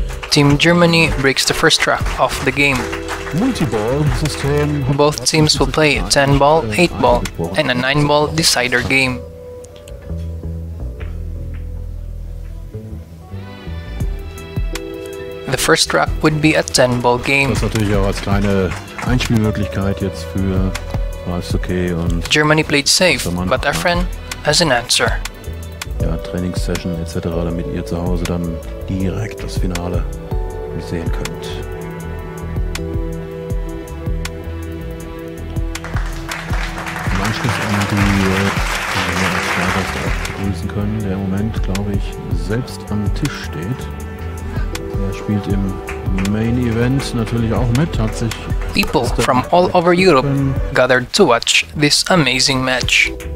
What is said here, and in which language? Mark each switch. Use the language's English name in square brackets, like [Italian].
[English] Team Germany breaks the first track of the game. Multi-ball system. Both teams will play a 10-ball, 8-ball, and a 9-ball decider game. The first track would be a 10-ball game. [German] Das natürlich auch als kleine Einspielmöglichkeit jetzt für Ralf Suke und [English] Germany played safe, but Efren has an answer. [German] Ja, Trainingssession etc., damit ihr zu Hause dann direkt das Finale sehen könnt. Und anschließend die Schneider auch begrüßen können, der im Moment, glaube ich, selbst am Tisch steht. Er spielt im Main Event natürlich auch mit, hat sich. [English] People from all over Europe gathered to watch this amazing match.